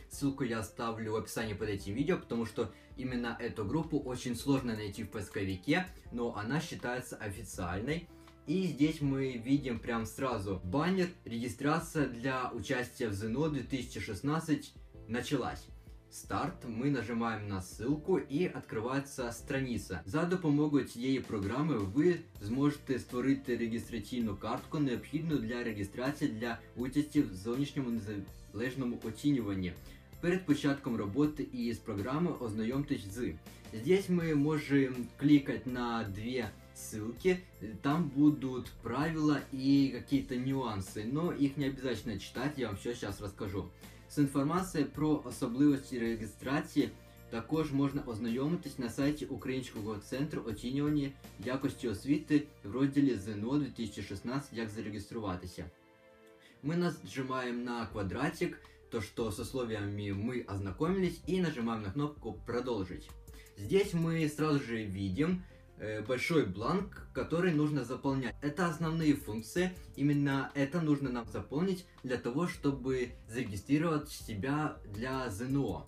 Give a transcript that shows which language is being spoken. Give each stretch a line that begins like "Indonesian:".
Russian: Ссылку я оставлю в описании под этим видео, потому что именно эту группу очень сложно найти в поисковике, но она считается официальной. И здесь мы видим прям сразу баннер «Регистрация для участия в ЗНО 2016 началась». Старт, мы нажимаем на ссылку и открывается страница.
Ukrainian: За допомогою цієї програми ви зможете створити реєстраційну картку, необхідну для реєстрації для участі в зовнішньому незалежному оцінюванні. Перед початком роботи із програмою ознайомтесь з.
Russian: Здесь ми можемо клікати на дві ссылки, там будут правила и какие-то нюансы, но их не обязательно читать, я вам все сейчас расскажу. С информацией
Ukrainian: про особливості регистрации також можно ознайомитись на сайте Українського центру оцінювання якості освіти в розділі ЗНО 2016, як зарегистрироваться.
Russian: Мы нажимаем на квадратик, то что с условиями мы ознакомились, и нажимаем на кнопку «Продолжить». Здесь мы сразу же видим большой бланк, который нужно заполнять. Это основные функции. Именно это нужно нам заполнить для того, чтобы зарегистрировать себя для ЗНО.